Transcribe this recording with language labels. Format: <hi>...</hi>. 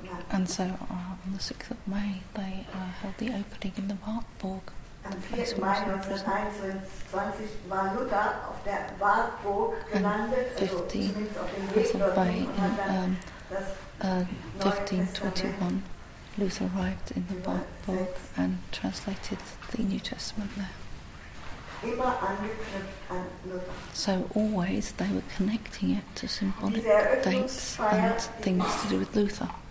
<en>And so on the 6th of May they held the opening in the Wartburg.</en> <de>Am 4. Mai 1921 war Luther auf der Wartburg gelandet, also zumindest auf dem Weg dorthin.</de> <en>1521, Luther arrived in the Wartburg and translated the New Testament there.</en> <de>Immer angeknüpft an Luther.</de> <en>So always they were connecting it to symbolic dates and things to do with Luther.</en>